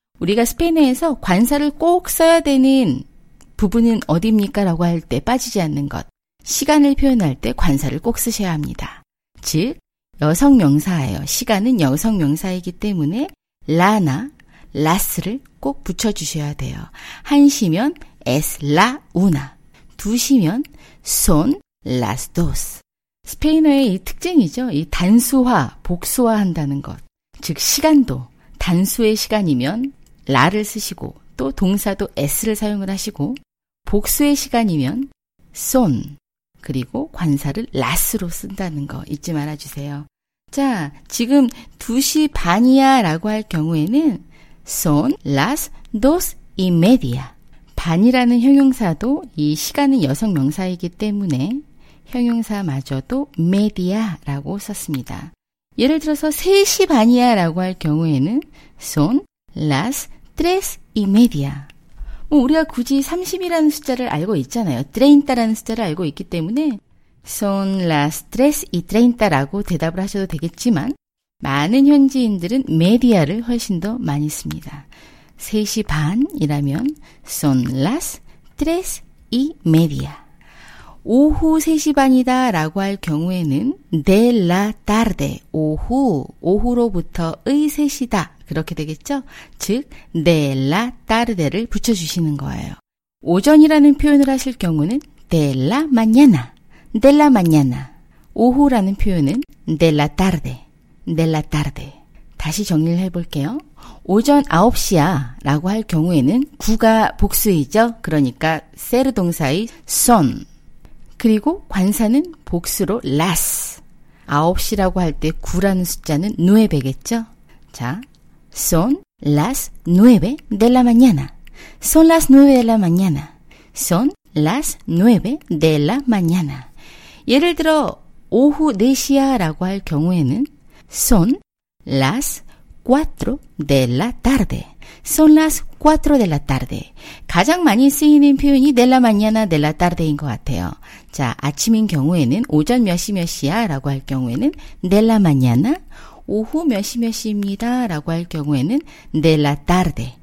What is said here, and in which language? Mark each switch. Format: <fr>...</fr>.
<ko>우리가 스페인어에서 관사를 꼭 써야 되는 부분은 어디입니까? 라고 할 때 빠지지 않는 것. 시간을 표현할 때 관사를 꼭 쓰셔야 합니다. 즉, 여성 명사예요. 시간은 여성 명사이기 때문에 라나 라스를 꼭 붙여주셔야 돼요. 1시면</ko> <es>es la una,</es> <ko>2시면</ko> <es>son las dos.</es> <ko>스페인어의 이 특징이죠. 이 단수화, 복수화 한다는 것. 즉 시간도 단수의 시간이면 라를 쓰시고 또 동사도 s를 사용을 하시고 복수의 시간이면 son 그리고 관사를 las로 쓴다는 거 잊지 말아주세요. 자, 지금 2시 반이야 라고 할 경우에는</ko> <es>son las dos y media.</es> <ko>반이라는 형용사도 이 시간은 여성 명사이기 때문에 형용사마저도 media 라고 썼습니다. 예를 들어서 3시 반이야 라고 할 경우에는</ko> <es>son las tres y media.</es> <ko>뭐 우리가 굳이 30이라는 숫자를 알고 있잖아요. 30라는 숫자를 알고 있기 때문에</ko> <es>son las tres y treinta</es> <ko>라고 대답을 하셔도 되겠지만 많은 현지인들은 media를 훨씬 더 많이 씁니다. 3시 반이라면</ko> <es>son las tres y media.</es> <ko>오후 3시 반이다 라고 할 경우에는</ko> <es>de la tarde,</es> <ko>오후로부터의 3시다 그렇게 되겠죠? 즉</ko> <es>de la tarde를</es> <ko>붙여주시는 거예요. 오전이라는 표현을 하실 경우는</ko> <es>de la mañana. De la mañana,</es> <ko>오후라는 표현은</ko> <es>de la tarde, de la tarde.</es> <ko>다시 정리를 해볼게요. 오전 9시야 라고 할 경우에는 구가 복수이죠. 그러니까 세르 동사의 son. 그리고 관사는 복수로 las. 9시라고 할 때 9라는 숫자는 nueve겠죠.</ko> <es>자, son las nueve de la mañana. Son las nueve de la mañana. Son las nueve de la mañana.</es> <ko>예를 들어 오후 4시야 라고 할 경우에는</ko> <es>son las 4 de la tarde. son las 4 de la tarde.</es> <ko>가장 많이 쓰이는 표현이</ko> <es>de la mañana, de la tarde인</es> <ko>것 같아요. 자, 아침인 경우에는 오전 몇 시 몇 시야 라고 할 경우에는</ko> <es>de la mañana,</es> <ko>오후 몇 시 몇 시입니다 라고 할 경우에는</ko> <es>de la tarde.</es>